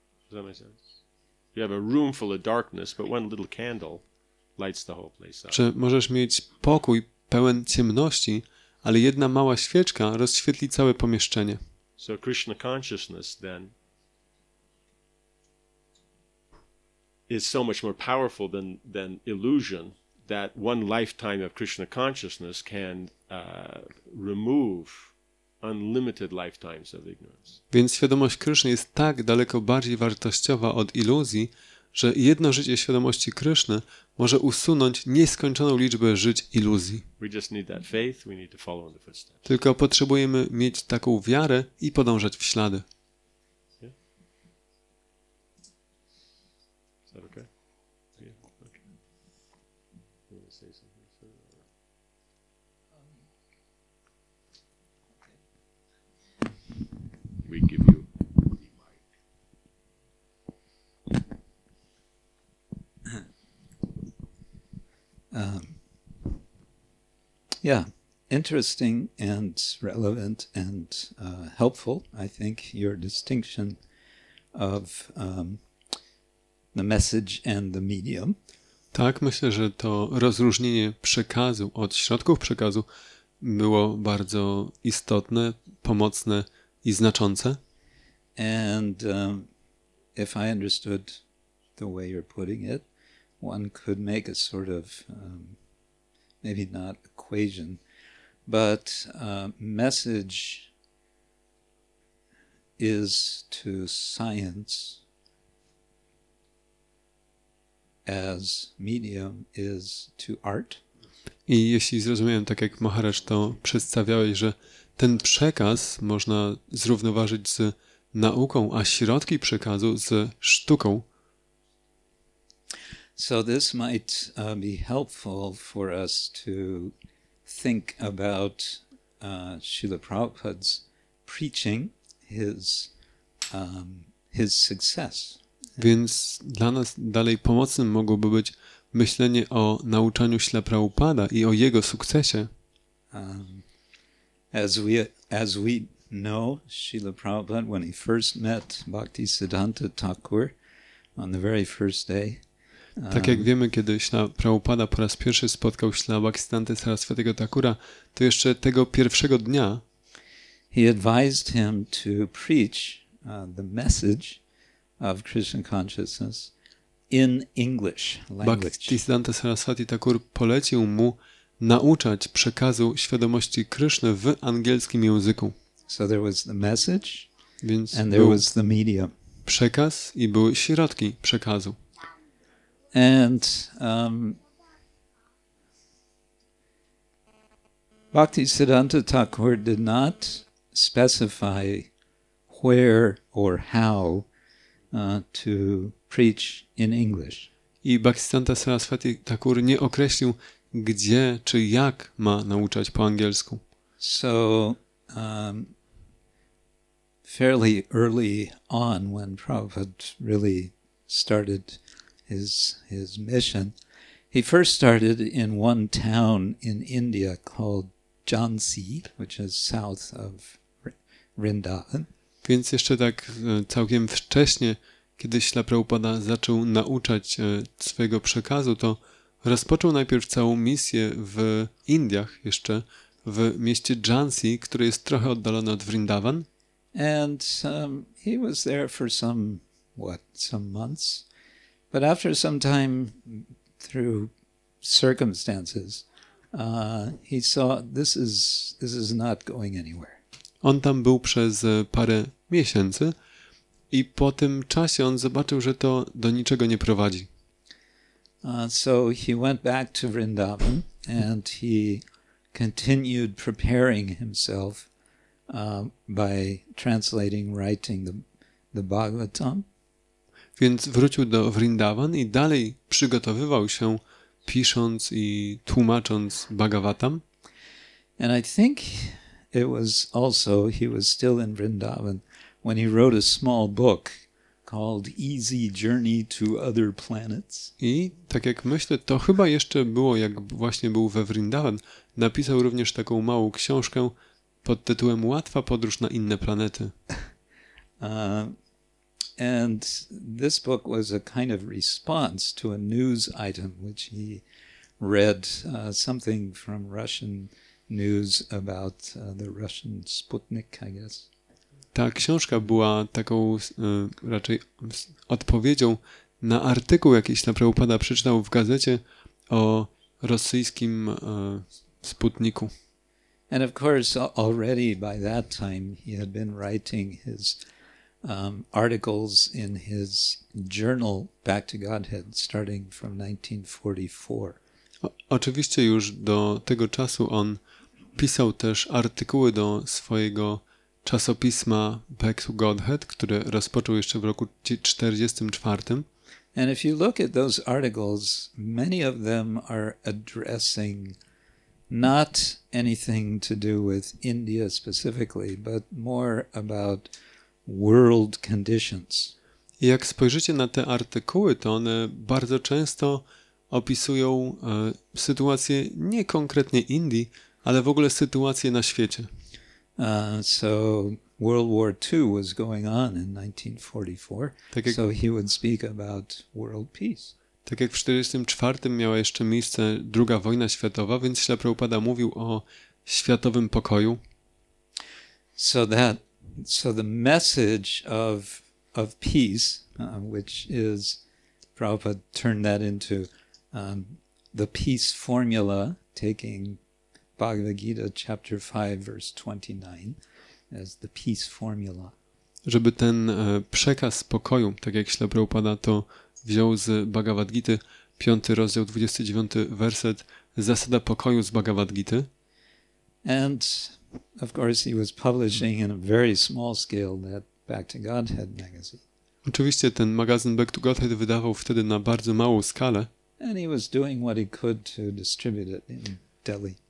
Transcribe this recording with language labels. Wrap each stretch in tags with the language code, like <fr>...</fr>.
<en>Does that make sense? You have a room full of darkness, but one little candle lights the whole place up.</en> <pl>Czy możesz mieć pokój pełen ciemności, ale jedna mała świeczka rozświetli całe pomieszczenie.</pl> <en>So Krishna consciousness then is so much more powerful than illusion, that one lifetime of Krishna consciousness can remove unlimited lifetimes of ignorance.</en> <pl>Więc świadomość Kryszny jest tak daleko bardziej wartościowa od iluzji, że jedno życie świadomości Kryszny może usunąć nieskończoną liczbę żyć iluzji.</pl> <en>We just need that faith, we need to follow in the footsteps.</en> <pl>Tylko potrzebujemy mieć taką wiarę i podążać w ślady.</pl> <en>Yeah, interesting and relevant and helpful, I think, your distinction of the message and the medium.</en> <pl>Tak, myślę, że to rozróżnienie przekazu od środków przekazu było bardzo istotne, pomocne i znaczące.</pl> <en>And if I understood the way you're putting it, one could make a sort of maybe not equation, but message is to science as medium is to art.</en> <pl>I jeśli zrozumiałem tak, jak Maharaj to przedstawiałeś, że ten przekaz można zrównoważyć z nauką, a środki przekazu z sztuką.</pl> <en>So this might be helpful for us to think about Srila Prabhupada's preaching, his success.</en> <pl>Więc dla nas dalej pomocnym mogłoby być myślenie o nauczaniu Śla Prabhupada i o jego sukcesie.</pl> <en>As we know, Srila Prabhupada, when he first met Bhaktisiddhanta Thakur on the very first day,</en> <pl>tak jak wiemy, kiedy Śla Prabhupada po raz pierwszy spotkał Śla Bhaktisiddhanta Sarasvatiego Thakura, to jeszcze tego pierwszego dnia,</pl> <en>he advised him to preach the message of Krishna consciousness in English language.</en> <pl>Bhaktisiddhanta Sarasvati Thakur polecił mu nauczać przekazu świadomości Kryszny w angielskim języku.</pl> <en>So there was the message,</en> <pl>więc</pl> <en>and there was the medium.</en> <pl>Przekaz i były środki przekazu.</pl> <en>And Bhaktisiddhanta Thakur did not specify where or how to preach in English.</en> <pl>I Bhaktisiddhanta Sarasvati Thakur nie określił, gdzie czy jak ma nauczać po angielsku.</pl> <en>So fairly early on, when Prabhupada really started his mission, he first started in one town in India called Jhansi, which is south of Vrindavan.</en> <pl>Więc jeszcze tak całkiem wcześnie, kiedy Śla Prabhupada zaczął nauczać swojego przekazu, to rozpoczął najpierw całą misję w Indiach, jeszcze w mieście Jhansi, które jest trochę oddalone od Vrindavan.</pl> <en>And he was there for some months. But after some time, through circumstances, he saw this is not going anywhere.</en> <pl>On tam był przez parę miesięcy i po tym czasie on zobaczył, że to do niczego nie prowadzi.</pl> <en>So he went back to Vrindavan and he continued preparing himself by translating, writing the Bhagavatam.</en> <pl>Więc wrócił do Vrindavan i dalej przygotowywał się, pisząc i tłumacząc Bhagavatam.</pl> <en>And I think it was also, he was still in Vrindavan when he wrote a small book called Easy Journey to Other Planets.</en> <pl>I tak jak myślę, to chyba jeszcze było, jak właśnie był we Vrindavan, napisał również taką małą książkę pod tytułem Łatwa podróż na inne planety.</pl> <en>And this book was a kind of response to a news item which he read, something from Russian news about the Russian Sputnik, I guess.</en> <pl>Ta książka była taką raczej odpowiedzią na artykuł jakiś, na Prabhupada przeczytał w gazecie o rosyjskim Sputniku.</pl> <en>And of course already by that time he had been writing his articles in his journal Back to Godhead starting from 1944.</en> <pl>Oczywiście już do tego czasu on pisał też artykuły do swojego czasopisma Back to Godhead, które rozpoczął jeszcze w roku 1944.</pl> <en>And if you look at those articles, many of them are addressing not anything to do with India specifically, but more about world conditions.</en> <pl>Jak spojrzycie na te artykuły, to one bardzo często opisują sytuację nie konkretnie Indii, ale w ogóle sytuację na świecie.</pl> <en>So World War II was going on in 1944. So he would speak about world peace.</en> <pl>Tak jak w 1944 miała jeszcze miejsce II wojna światowa, więc Śla Prabhupada mówił o światowym pokoju.</pl> <en>So the message of peace, which is Prabhupada turned that into the peace formula, taking Bhagavad Gita chapter 5 verse 29 as the peace formula.</en> <pl>Żeby ten przekaz pokoju, tak jak Śla Prabhupada to wziął z Bhagavad Gita, 5 rozdział 29 werset, zasada pokoju z Bhagavad Gita.</pl> <en>And of course he was publishing in a very small scale that Back to Godhead magazine.</en> <pl>Oczywiście ten magazyn Back to Godhead wydawał wtedy na bardzo małą skalę.</pl> <en>And he was doing what he could to distribute it in Delhi.</en>